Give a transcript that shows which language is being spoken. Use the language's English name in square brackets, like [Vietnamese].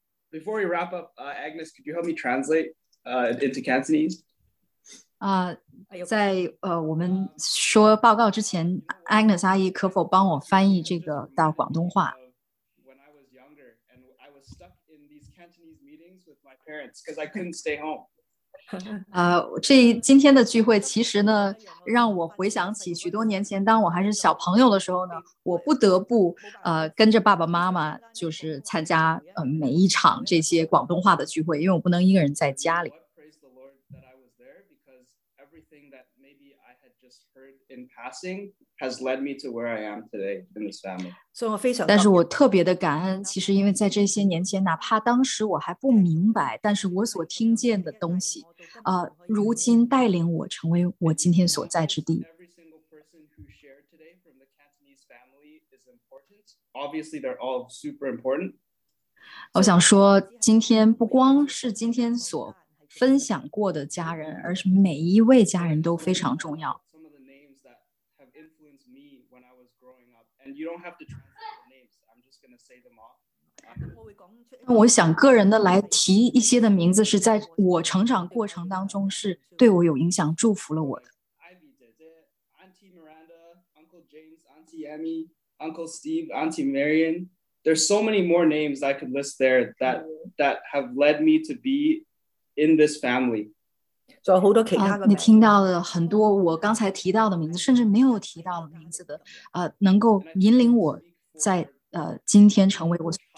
[English] Before we wrap up, Agnes, could you help me translate into Cantonese? [Chinese] 在我们说报告之前 ，Agnes 阿姨可否帮我翻译这个到广东话 [English] ？When I was younger, and I was stuck in these Cantonese meetings with my parents because I couldn't stay home. [Chinese] 这今天的聚会其实呢，让我回想起许多年前，当我还是小朋友的时候呢，我不得不跟着爸爸妈妈就是参加每一场这些广东话的聚会，因为我不能一个人在家里。 [English] Praise the Lord that I was there because everything that maybe I had just heard in passing has led me to where I am today in this family. [Chinese] 所以我非常，但是我特别的感恩，其实因为在这些年前，哪怕当时我还不明白，但是我所听见的东西。如今带领我成为我今天所在之地。 [English] Every single person who shared today from the Cantonese family is important. Obviously, they're all super important. [Chinese] 我想说，今天不光是今天所分享过的家人，而是每一位家人都非常重要。 [English] Some of the names that have influenced me when I was growing up, and you don't have to translate the names. I'm just going to say them off. [Chinese] 我想个人的来提一些的名字是在我成长过程当中是对我有影响祝福了我的 [English] Ivy 姐姐 Auntie Miranda Uncle James Auntie Emmy Uncle Steve Auntie Marion There's so many more names I could list there that have led me to be in this family [Chinese] 还有很多其他的你听到了很多我刚才提到的名字甚至没有提到的名字的能够引领我在今天成为我